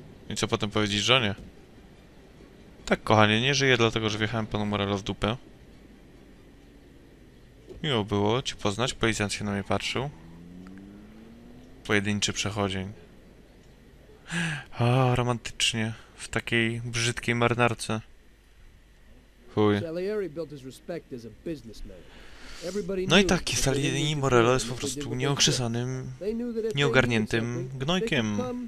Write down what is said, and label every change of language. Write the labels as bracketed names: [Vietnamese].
[Polish] I co potem powiedzieć żonie? Tak, kochanie, nie żyję dlatego, że wjechałem panu Morello w dupę. Miło było cię poznać. Policjant się na mnie patrzył. Pojedynczy przechodzień. A, romantycznie. W takiej brzydkiej marynarce. [English] Salieri built his respect as a businessman. Everybody knew. [Polish] No i tak, Salieri i Morello jest po prostu nieokrzesanym, nieogarniętym gnojkiem.